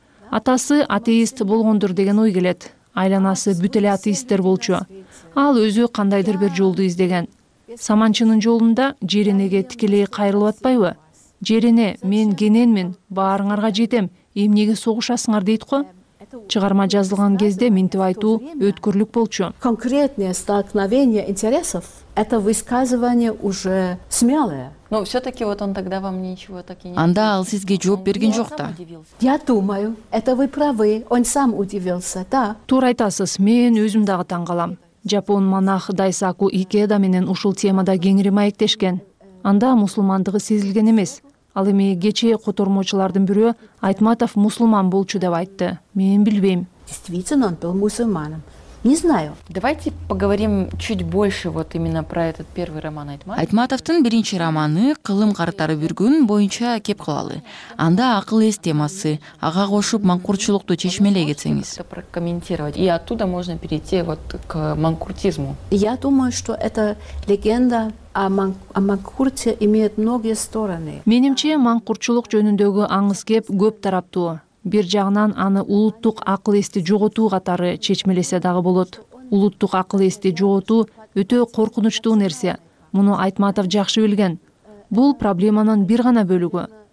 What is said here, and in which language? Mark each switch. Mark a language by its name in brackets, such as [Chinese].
[Kyrgyz] Атасы атеист болгондур деген ой келет. Айланасы бүт эле атеисттер болчу. Ал өзү кандайдыр бир жолду издеген. Саманчынын жолунда жеренеге тикелей кайрылып атпайбы? Жерене, мен кененмин, баарыңарга жетем, эмнеге согушасыңар дейт го? Чыгарма жазылган кезде минтип айтуу өткөрлүк болчу. [Russian] Конкретное столкновение интересов — это высказывание уже смелое. Но все-таки вот он тогда вам ничего так и не... [Kyrgyz] Анда ал сизге жооп берген жок да. [Russian] Я думаю, это вы правы, он сам удивился, да. [Kyrgyz] Туура айтасыз, мен өзүм дагы таң калам. Жапон монах Дайсаку Икеда менен ушул темада кеңири маектешкен. Анда мусулмандыгы сезилген эмес. Ал эми кечээ котормочулардын бирөө Айтматов мусулман болчу деп айтты. Мен билбейм. [Russian] Действительно, он был мусульманом. Не знаю. Давайте поговорим чуть больше вот именно про этот первый роман Айтматов. [Kyrgyz] Айтматовтын биринчи романы «Кылым картары бир күн» боюнча кеп кылалы. Анда акыл эс темасы, ага кошуп маңкурчулукту чечмеле кетсеңиз. [Russian] Прокомментировать. И оттуда можно перейти вот к маңкуртизму. Я думаю, что это легенда о маңкурте имеет многие стороны. [Kyrgyz] Менимче маңкурчулук жөнүндөгү аңыз кеп көп тараптуу. Бир жагынан аны улуттук акыл эсти жоготуу катары чечмелесе дагы болот. Улуттук акыл эсти жоготуу өтө коркунучтуу нерсе. Муну Айтматов жакшы билген. Бул проблеманын бир гана бөлүгү.